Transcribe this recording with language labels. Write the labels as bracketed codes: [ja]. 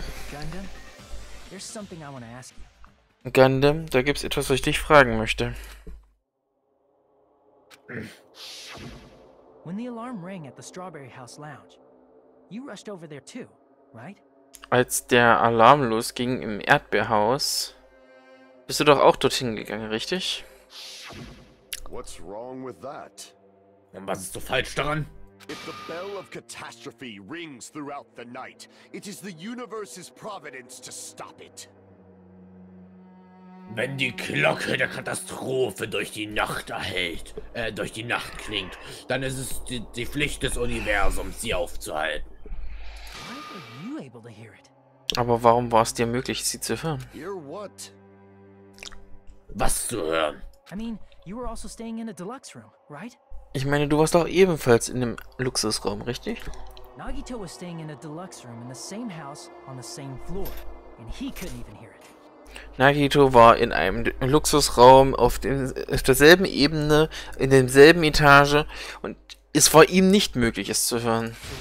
[en] Gundam, there's something I want to ask you. [de] Gundam, da gibt's etwas, was ich dich fragen möchte. [en] When the alarm rang at the Strawberry House Lounge, you rushed over there too, right? [de] Als der Alarm losging im Erdbeerhaus. Bist du doch auch dorthin gegangen, richtig? [en] What's wrong with that? [de] Und was ist so falsch daran? [en] If the bell of catastrophe rings throughout the night, it is the universe's providence to stop it. [de] Wenn die Glocke der Katastrophe durch die Nacht durch die Nacht klingt, dann ist es die Pflicht des Universums, sie aufzuhalten. [en] Why were you able to hear it? [de] Aber warum war es dir möglich, sie zu hören? [en] Hear what? [de] Was zu hören? [en] I mean, you were also staying in a deluxe room, right? [de] Ich meine, du warst auch ebenfalls in dem Luxusraum, richtig? [en] Nagito was staying in a deluxe room in the same house on the same floor, and he couldn't even hear it. [de] Nagito war in einem Luxusraum auf derselben Ebene, in derselben Etage, und es war ihm nicht möglich, es zu hören.